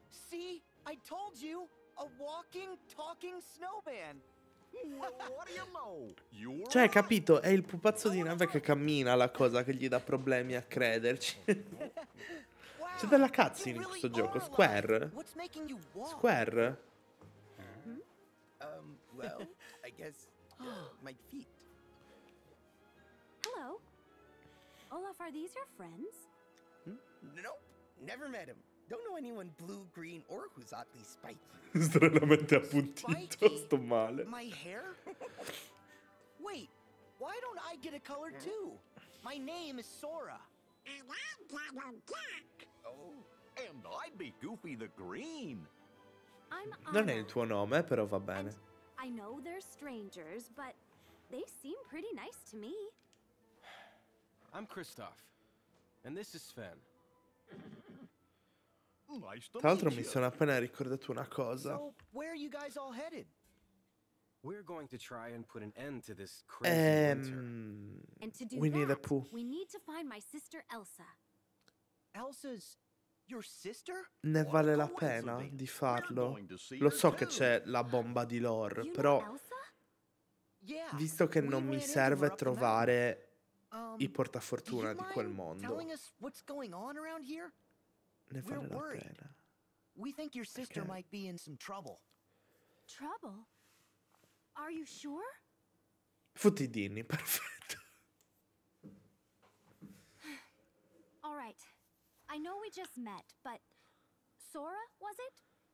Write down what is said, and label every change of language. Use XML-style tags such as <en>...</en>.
<en>See, I told you, a walking, talking snowman. What do you know?</en> <it>Cioè, hai capito? È il pupazzo di neve che cammina, la cosa che gli dà problemi a crederci. C'è della cazzo in questo gioco, Square. Square.</it> <en>Well, I guess my feet. Hello. Olaf, are these your friends? Nope, never met him. Don't know anyone blue, green, or who's oddly spiky.</en> <it>Stranamente appuntito, sto male.</it> <en>My hair? Wait, why don't I get a color too? My name is Sora. And I'm Dragon Jack. Oh, and I'd be Goofy the Green.</en> <it>Non è il tuo nome, però va bene.</it> <en>I know they're strangers, but they seem pretty nice to me. I'm Kristoff, and this is Sven.</en> <it>Tra l'altro mi sono appena ricordato una cosa.</it> <en>So, where are you guys all headed? We're going to try and put an end to this crazy winter. And to do that, we need to find my sister Elsa. Elsa's... Your sister?</en> <it>Ne vale la pena di farlo. Lo so che c'è la bomba di lore, però visto che non mi serve trovare i portafortuna di quel mondo, ne vale la pena.</it> <en>We think your sister might be in some trouble. Trouble? Are you sure?</en> <it>Futti Dini, perfetto.</it> <en>All right. I know we just met, but Sora, was it?</en>